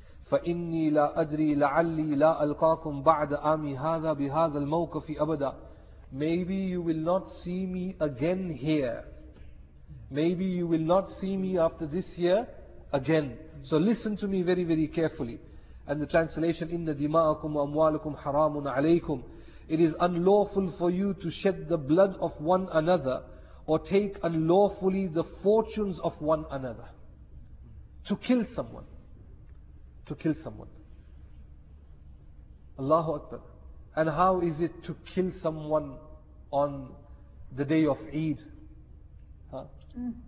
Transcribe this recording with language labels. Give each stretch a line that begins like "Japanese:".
Arabic: فَإِنِّي لَا أَدْرِي لَعَلِّي لَا أَلْقَاكُمْ بَعْدَ آمِي هَذَا بِهَذَا الْمَوْكَفِ أَبَدًا.
English: Maybe you will not see me again here. Maybe you will not see me after this year again. So listen to me very, very carefully. And the translation,
Arabic: إِنَّ دِمَاءَكُمْ وَأَمْوَالَكُمْ حَرَامٌ عَلَيْكُمْ.
English: It is unlawful for you to shed the blood of one another or take unlawfully the fortunes of one another. To kill someone. To kill someone. Allahu Akbar. And how is it to kill someone on the day of Eid? Huh? Mm.